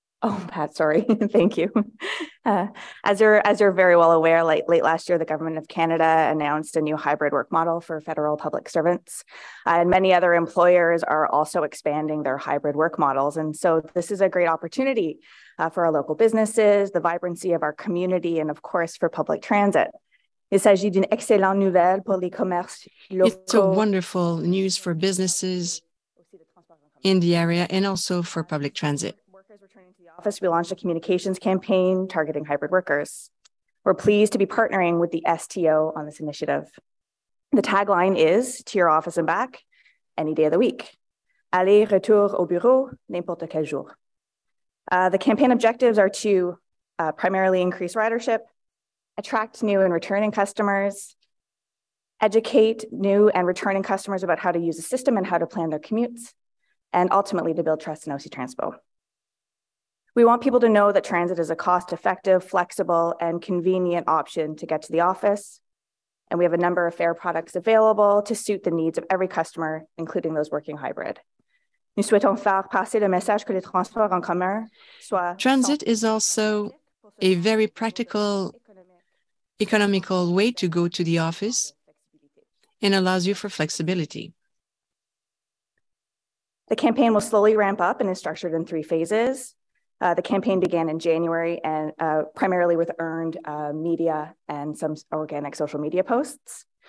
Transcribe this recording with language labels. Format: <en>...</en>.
<en>Oh, Pat, sorry. Thank you. As you're very well aware, late last year, the Government of Canada announced a new hybrid work model for federal public servants. And many other employers are also expanding their hybrid work models. And so this is a great opportunity for our local businesses, the vibrancy of our community, and of course, for public transit.</en> <fr>Il s'agit d'une excellente nouvelle pour les commerces locaux.</fr> <en>It's a wonderful news for businesses in the area and also for public transit. Office, we launched a communications campaign targeting hybrid workers. We're pleased to be partnering with the STO on this initiative. The tagline is, to your office and back, any day of the week.</en> <fr>Aller, retour au bureau, n'importe quel jour.</fr> <en>The campaign objectives are to primarily increase ridership, attract new and returning customers, educate new and returning customers about how to use the system and how to plan their commutes, and ultimately to build trust in OC Transpo. We want people to know that transit is a cost-effective, flexible, and convenient option to get to the office. And we have a number of fare products available to suit the needs of every customer, including those working hybrid.</en> <fr>Nous souhaitons faire passer le message que les transports en commun soient...</fr> <en>Transit is also a very practical, economical way to go to the office and allows you for flexibility. The campaign will slowly ramp up and is structured in three phases. The campaign began in January and primarily with earned media and some organic social media posts.</en>